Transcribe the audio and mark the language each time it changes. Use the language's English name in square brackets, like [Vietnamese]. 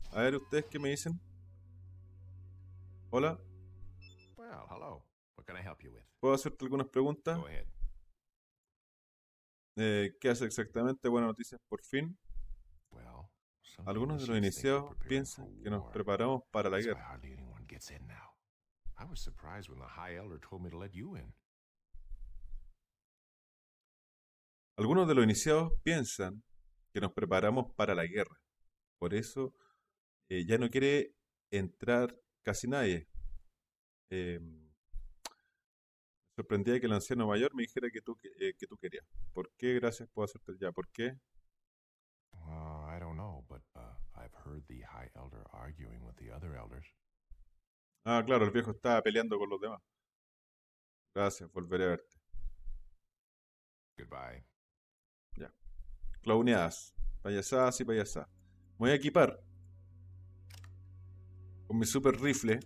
[Spanish] A ver, ustedes qué me dicen. Hola. [English] Well, hello. What can I help you with? [Spanish] ¿Puedo hacerte algunas preguntas? [English] Go ahead. [Spanish] ¿Qué hace exactamente? Buenas noticias, por fin. [English] Well, [Spanish] algunos de los iniciados piensan que nos preparamos para la guerra. [English] Hardly anyone gets in now. I was surprised when the High Elder told me to let you in. [Spanish] Algunos de los iniciados piensan que nos preparamos para la guerra. Por eso ya no quiere entrar casi nadie. Me sorprendía que el anciano mayor me dijera que tú querías. ¿Por qué? Gracias, puedo hacerte ya. ¿Por qué? [English] I don't know, but I've heard the High Elder arguing with the other elders. [Spanish] Ah, claro, el viejo estaba peleando con los demás. Gracias, volveré a verte. [English] Goodbye. [Spanish] Clowneadas, payasadas y payasadas. Me voy a equipar con mi super rifle.